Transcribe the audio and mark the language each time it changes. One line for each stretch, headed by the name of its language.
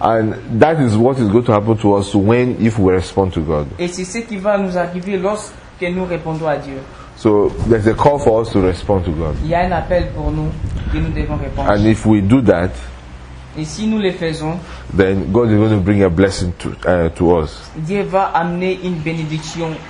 English: And that is what is going to happen to us when if we respond to God.
French: Et c'est ce qui va nous arriver lorsque nous répondons à Dieu.
English: So there's a call for us to respond to God.
French: Il y a un appel pour nous que nous devons répondre.
English: And if we do that,
French: et si nous le faisons,
English: then God is going to bring a blessing to us.
French: Dieu va amener une bénédiction.